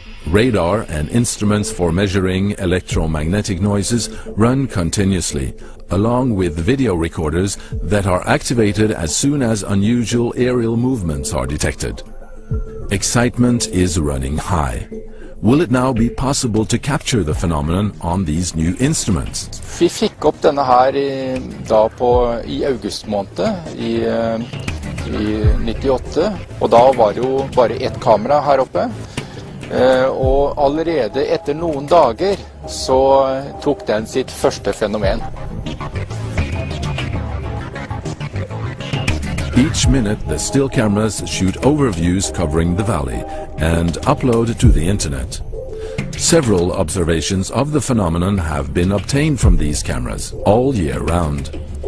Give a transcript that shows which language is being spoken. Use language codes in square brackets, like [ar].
[en] Radar and instruments for measuring electromagnetic noises run continuously, along with video recorders that are activated as soon as unusual aerial movements are detected. Excitement is running high. Will it now be possible to capture the phenomenon on these new instruments? [no] Vi fikk opp denne her i august måned i 98, og da var det jo bare ett kamera her oppe. Og allerede etter noen dager så tok den sitt første fenomen. [en] Each minute, the still cameras shoot overviews covering the valley and upload to the internet. Several observations of the phenomenon have been obtained from these cameras all year round.